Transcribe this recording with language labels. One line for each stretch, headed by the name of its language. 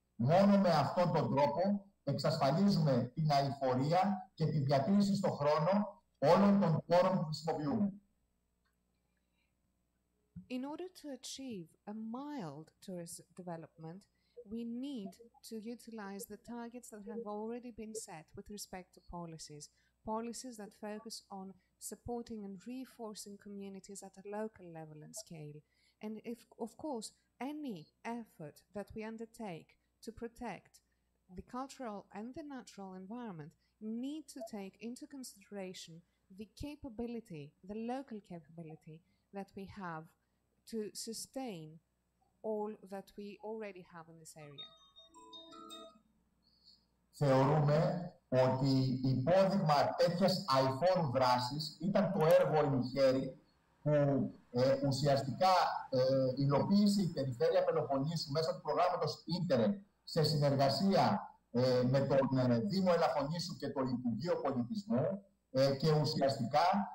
Greek: Μόνο με αυτόν τον τρόπο εξασφαλίζουμε την αηφορία και τη διατήρηση στον χρόνο όλων των πόρων που χρησιμοποιούμε.
English: In order to achieve a mild tourist development, we need to utilize the targets that have already been set with respect to policies. Policies that focus on supporting and reinforcing communities at a local level and scale. And if, of course, any effort that we undertake to protect the cultural and the natural environment need to take into consideration the capability, the local capability that we have to sustain all that we already have in this area.
Greek: Θεωρούμε ότι υπόδειγμα τέτοιας αηφόρου δράσης ήταν το έργο Ινιχέρη που ουσιαστικά υλοποίησε η περιφέρεια Πελοποννήσου μέσω του προγράμματος Ίντερεν σε συνεργασία με τον Δήμο Ελαφωνήσου και το Υπουργείο Πολιτισμού και ουσιαστικά